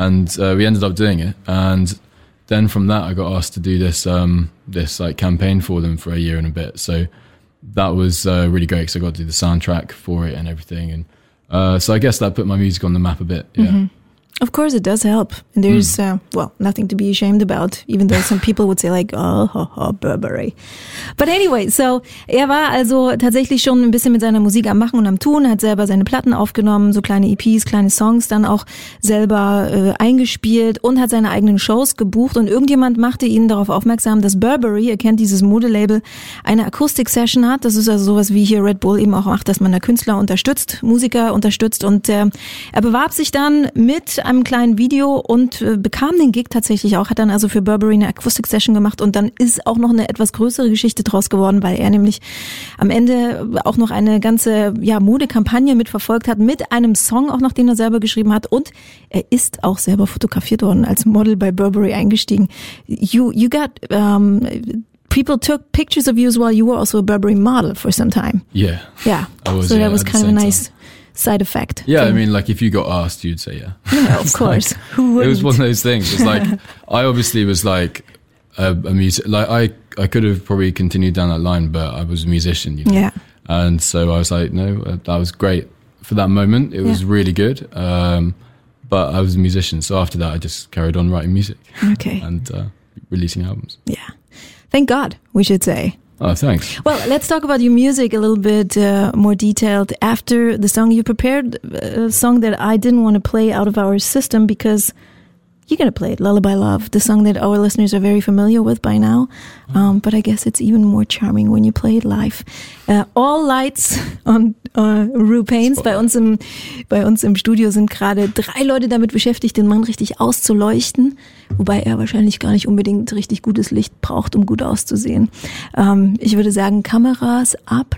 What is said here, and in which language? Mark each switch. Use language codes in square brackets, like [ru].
[en] and we ended up doing it, and. Then from that, I got asked to do this this like campaign for them for a year and a bit. So that was really great because I got to do the soundtrack for it and everything. And so I guess that put my music on the map a bit. Yeah. Mm-hmm. Of course, it does help. And there's, nothing to be ashamed about, even though some people would say like, oh, ho, ho, Burberry. But anyway, so [de] er war also tatsächlich schon ein bisschen mit seiner Musik am Machen und am Tun, hat selber seine Platten aufgenommen, so kleine EPs, kleine Songs dann auch selber eingespielt und hat seine eigenen Shows gebucht. Und irgendjemand machte ihn darauf aufmerksam, dass Burberry, ihr kennt dieses Modelabel, eine Akustik-Session hat. Das ist also sowas, wie hier Red Bull eben auch macht, dass man da Künstler unterstützt, Musiker unterstützt. Und er bewarb sich dann mit einem kleinen Video und bekam den Gig tatsächlich auch, hat dann also für Burberry eine Akustik-Session gemacht und dann ist auch noch eine etwas größere Geschichte draus geworden, weil er nämlich am Ende auch noch eine ganze Modekampagne mitverfolgt hat, mit einem Song auch noch, den er selber geschrieben hat, und er ist auch selber fotografiert worden, als Model bei Burberry eingestiegen. [en] You got people took pictures of you as well, you were also a Burberry model for some time. Yeah. Yeah, so that was kind of a nice side effect. Yeah, I mean, like, if you got asked, you'd say yeah. Yeah, of course. Like, who wouldn't? It was one of those things. It's like, I obviously was, like, a musician. Like, I could have probably continued down that line, but I was a musician, you know? Yeah. And so I was like, no, that was great for that moment. It was really good. But I was a musician. So after that, I just carried on writing music. Okay. And releasing albums. Yeah. Thank God, we should say. Oh, thanks. Well, let's talk about your music a little bit more detailed after the song you prepared, a song that I didn't want to play out of our system because you're going to play it, Lullaby Love, the song that our listeners are very familiar with by now. But I guess it's even more charming when you play it live. All lights on Rue Paynes. [de] Bei uns im Studio sind gerade 3 Leute damit beschäftigt, den Mann richtig auszuleuchten. Wobei er wahrscheinlich gar nicht unbedingt richtig gutes Licht braucht, um gut auszusehen. Ich würde sagen, Kameras ab.